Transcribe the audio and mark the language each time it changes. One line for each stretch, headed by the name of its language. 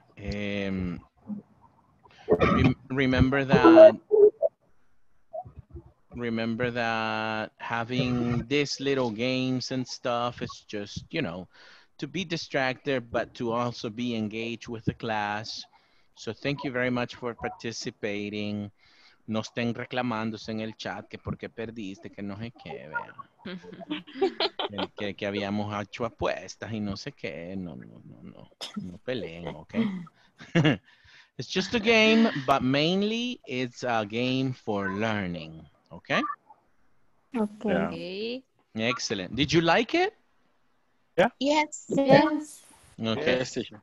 English: Remember that having these little games and stuff is just, you know, to be distracted, but to also be engaged with the class. So thank you very much for participating.
Spanish: No estén reclamándose en el chat que porque perdiste, que no sé qué, vean. que habíamos hecho apuestas y no sé qué. No peleen, okay?
English: It's just a game, but mainly it's a game for learning. Okay. Yeah. Excellent. Did you like it? Yeah. Yes. Okay. Yes,